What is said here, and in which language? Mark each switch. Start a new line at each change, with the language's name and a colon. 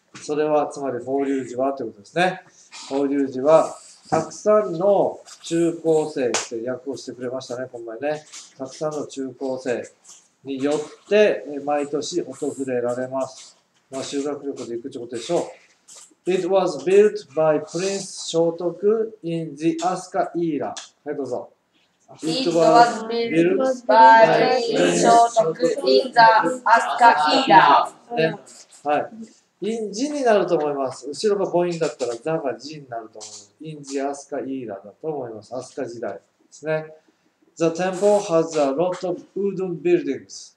Japanese: それはつまり法隆寺はということですね。法隆寺はたくさんの中高生って訳をしてくれましたね、この前ね。たくさんの中高生によって毎年訪れられます。まあ、修学旅行で行くってことでしょう。
English: It was built by Prince Shotoku in the Asuka era.
Japanese: はい、どうぞ。
English: It was built by Prince Shotoku in the Asuka era.、
Japanese: ね、はい。in the になると思います。後ろが母音だったら、ザが字になると思います。
English: in the Asuka era
Japanese: だと思います。Asuka 時代ですね。
English: The temple has a lot of wooden buildings.